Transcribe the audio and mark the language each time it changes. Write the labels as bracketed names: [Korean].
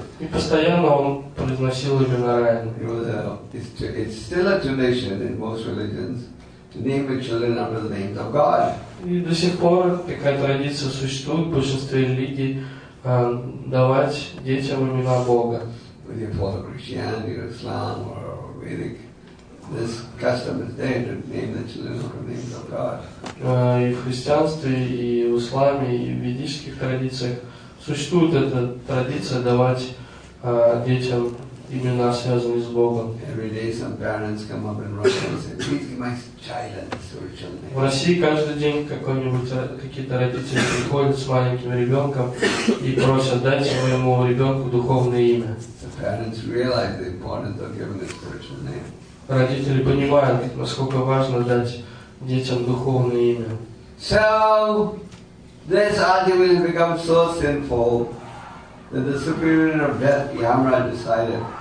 [Russian] И постоянно он произносил имя Нараяна. [English] It's still a tradition in most religions to name your children after the names of God. [Russian] И до сих пор такая традиция существует в большинстве религий давать детям имена Бога. [English] Whether you follow Christianity or Islam or Vedic, this custom is there to name the children after the names of God. [Russian] И в христианстве, и в исламе, и в ведических традициях существует эта традиция давать детям Именно связанный с Богом. [English] Every day some parents come up in Russia and say, please give my child a spiritual name. [Russian] В России каждый день какие-то родители приходят с маленьким ребенком и просят дать своему ребенку духовное имя. [English] The parents realize the importance of giving a spiritual name. [Russian] Родители понимают, насколько важно дать детям духовное имя. [English] So this argument has become so sinful that the superior of death, Yamraj, decided.